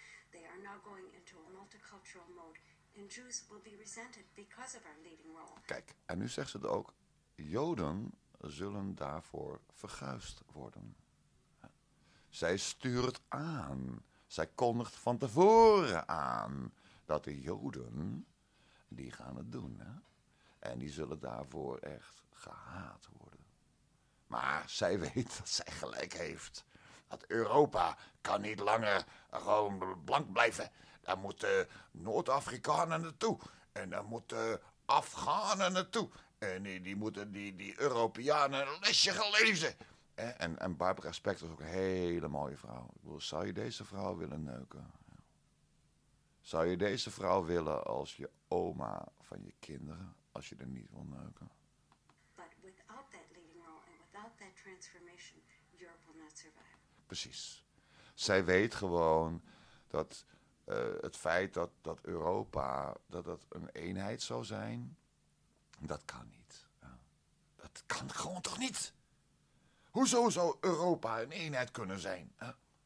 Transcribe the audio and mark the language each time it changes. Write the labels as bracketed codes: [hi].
[en] They are now going into a multicultural mode. And Jews will be resented because of our leading role. [nl] Kijk, en nu zegt ze het ook. Joden zullen daarvoor verguisd worden. Zij stuurt aan. Zij kondigt van tevoren aan. Dat de Joden, die gaan het doen. Hè? En die zullen daarvoor echt gehaat worden. Maar zij weet dat zij gelijk heeft. Dat Europa kan niet langer gewoon blank blijven. Daar moeten Noord-Afrikanen naartoe. En daar moeten Afghanen naartoe. En die moeten die Europeanen een lesje gelezen. En Barbara Spector is ook een hele mooie vrouw. Ik bedoel, zou je deze vrouw willen neuken? Zou je deze vrouw willen als je oma van je kinderen, als je er niet wil neuken? [en] But without that leading role and without that transformation, Europe will not survive. [nl] Precies. Zij weet gewoon dat het feit dat Europa, dat een eenheid zou zijn, dat kan niet. Ja. Dat kan gewoon toch niet? Hoezo zou Europa een eenheid kunnen zijn? Ja.